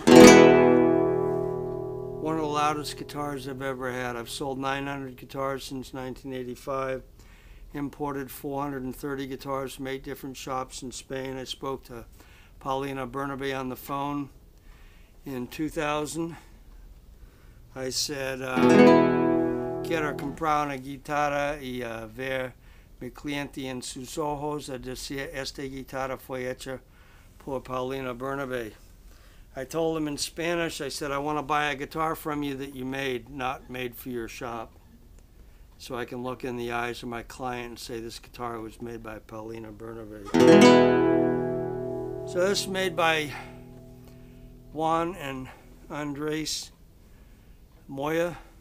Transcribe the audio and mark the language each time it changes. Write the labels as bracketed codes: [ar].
[en] One of the loudest guitars I've ever had. I've sold 900 guitars since 1985, imported 430 guitars from 8 different shops in Spain. I spoke to Paulina Bernabe on the phone in 2000. I said, [es] quiero comprar una guitarra y ver mi cliente en sus ojos a decir esta guitarra fue hecha por Paulina Bernabe. [en] I told him in Spanish, I said, I want to buy a guitar from you that you made, not made for your shop, so I can look in the eyes of my client and say this guitar was made by Paulina Bernabe. So this is made by Juan and Andrés Moya.